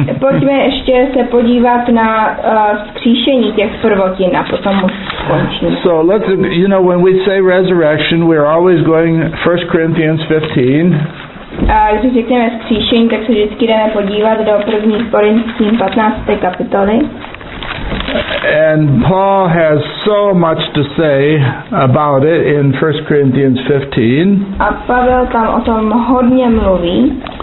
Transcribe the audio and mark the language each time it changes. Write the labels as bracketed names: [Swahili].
[Czech] Pojďme ještě se podívat na vzkříšení těch prvotin a potom skončíme. [English] So let's, you know, when we say resurrection, we're always going 1 Corinthians 15. [Czech] Když řekneme vzkříšení, tak se vždycky jdeme podívat do 1. Korintským 15. kapitoly. [English] And Paul has so much to say about it in 1 Corinthians 15. [Czech] A Pavel tam o tom hodně mluví.